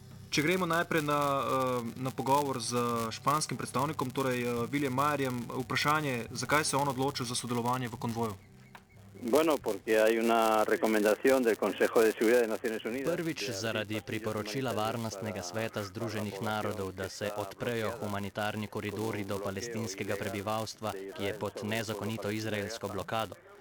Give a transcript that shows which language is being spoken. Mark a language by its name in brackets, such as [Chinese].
[Slovenian] Če gremo najprej na pogovor z španskim predstavnikom, torej William Mayerjem, vprašanje, zakaj se on odločil za sodelovanje v konvoju? [Spanish] Bueno, porque hay una recomendación del Consejo de Seguridad de Naciones Unidas. [Slovenian] Prvič zaradi priporočila Varnostnega sveta Združenih narodov, da se odprejo humanitarni koridori do palestinskega prebivalstva, ki je pod nezakonito izraelsko blokado.